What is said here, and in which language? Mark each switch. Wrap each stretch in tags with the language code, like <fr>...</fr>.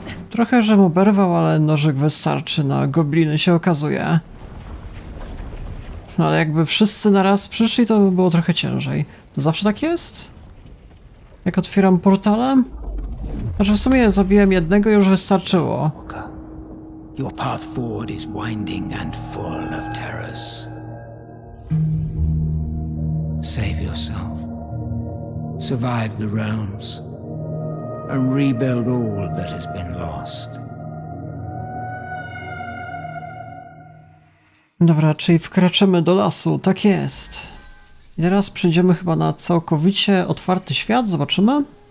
<pl>Trochę, żem oberwał, ale nożyk wystarczy na gobliny, się okazuje. No ale jakby wszyscy naraz przyszli, to by było trochę ciężej. To zawsze tak jest? Jak otwieram portale? Znaczy, w sumie zabiłem jednego i już wystarczyło.</pl> <en>Your path forward is winding and full of terrors. Save yourself. Survive the realms. And rebuild all that has been lost.</en> <pl>Dobra, czyli wkraczamy do lasu, tak jest. I teraz przejdziemy chyba na całkowicie otwarty świat, zobaczymy.</pl>